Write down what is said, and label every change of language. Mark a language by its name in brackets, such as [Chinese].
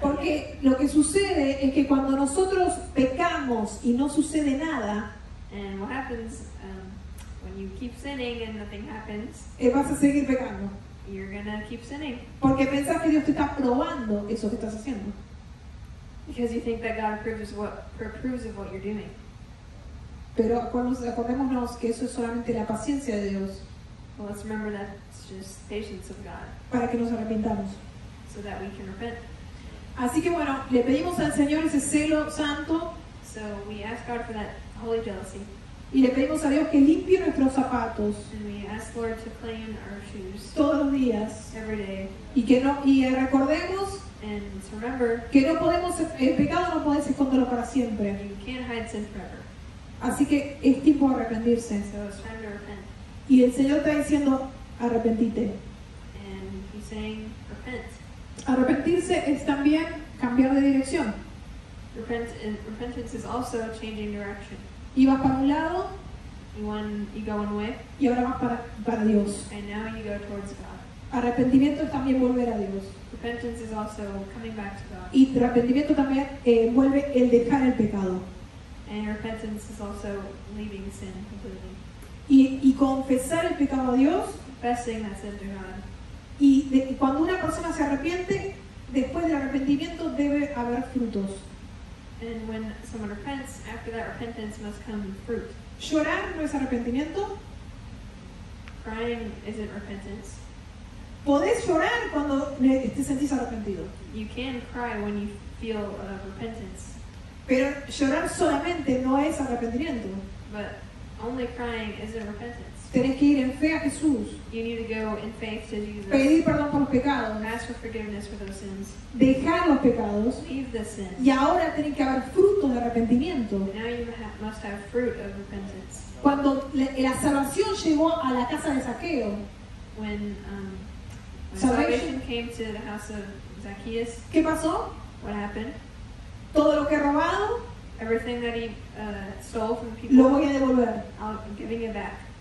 [Spanish] Porque lo que sucede es que cuando nosotros pecamos y no sucede nada, [English] and what happens when you keep sinning and nothing happens, [Spanish] vas a seguir pecando. [English] You're gonna keep sinning. [Spanish] Porque pensás que Dios te está probando eso que estás haciendo. [English] Because you think that God approves of what you're doing. [Spanish] Pero acordémonos que eso es solamente la paciencia de Dios. [English] Well, let's remember that it's just patience of God. [Spanish] Para que nos arrepintamos. [English] So that we can repent. [Spanish] Así que bueno, le pedimos al Señor ese celo santo. [English] So we ask God for that holy jealousy. [Spanish] Y le pedimos a Dios que limpie nuestros zapatos. [English] And we ask Lord to clean our shoes. [Spanish] Todos los días. [English] Every day. [Spanish] Y que no, y recordemos. [English] And to remember. [Spanish] Que no podemos, el pecado no puede esconderlo para siempre. [English] You can't hide sin forever. [Spanish] Así que es tiempo de arrepentirse. [English] So it's time to repent. [Spanish] Y el Señor está diciendo, arrepentite. [English] And he's saying, repent. [Spanish] Arrepentirse es también cambiar de dirección. [English] Repentance is also changing direction. [Spanish] Ibas para un lado. [English] You go one way. [Spanish] Y ahora vas para Dios. [English] And now you go towards God. [Spanish] Arrepentimiento es también volver a Dios. [English] Repentance is also coming back to God. [Spanish] Y arrepentimiento también envuelve el dejar el pecado. [English] And repentance is also leaving sin completely. [Spanish] Y confesar el pecado a Dios. [English] Confessing that sin to God. [Spanish] Y cuando una persona se arrepiente, después del arrepentimiento debe haber frutos. [English] And when someone repents, after that repentance must come fruit. [Spanish] Llorar no es arrepentimiento. [English] Crying isn't repentance. [Spanish] Podés llorar cuando te sentís arrepentido. [English] You can cry when you feel repentance. [Spanish] Pero llorar solamente no es arrepentimiento. [English] But only crying isn't repentance. [Spanish] Tenés que ir en fe a Jesús. [English] You need to go in faith to Jesus. [Spanish] Pedir perdón por los pecados. [English] Ask for forgiveness for those sins. [Spanish] Dejar los pecados. [English] Leave the sins. [Spanish] Y ahora tiene que haber fruto de arrepentimiento. [English] And now you must have fruit of repentance. [Spanish] Cuando la salvación llegó a la casa de Zaqueo. [English] When salvation came to the house of Zacchaeus. [Spanish] ¿Qué pasó? [English] What happened? [Spanish] Todo lo que he robado. [English] Everything that he stole from people. [Spanish] Lo voy a devolver. [English] I'm giving it back.